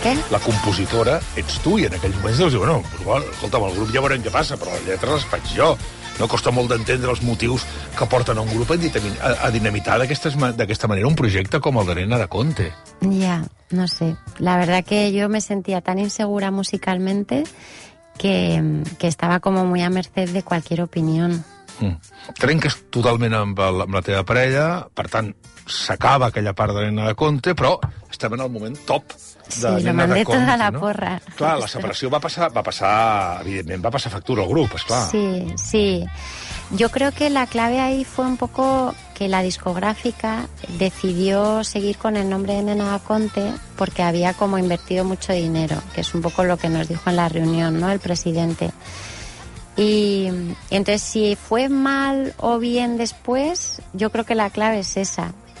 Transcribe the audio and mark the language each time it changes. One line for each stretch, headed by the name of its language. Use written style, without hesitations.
Catalan: La compositora ets tu, i en aquell moment doncs, bueno, escolta'm, el grup ja veurem què passa, però les lletres les faig jo. No costa molt d'entendre els motius que porten un grup a dinamitar d'aquesta manera un projecte com el de Nena de Conte. Ja, no sé.
Spanish: La verdad que yo me sentía tan insegura musicalmente que estaba como muy a merced de cualquier opinión. Mm.
Catalan: Trenques totalment amb la teva parella, per tant, s'acaba aquella part de Nena de Conte, però estem en el moment top.
Spanish: Sí, lo mandé toda la porra.
Catalan: Clar, la separació va passar, evidentment, va passar factura al grup, esclar. Sí, sí.
Spanish: Yo creo que la clave ahí fue un poco que la discográfica decidió seguir con el nombre de Nena Conte porque había como invertido mucho dinero, que es un poco lo que nos dijo en la reunión, ¿no?, el presidente. Y entonces, si fue mal o bien después, yo creo que la clave es esa.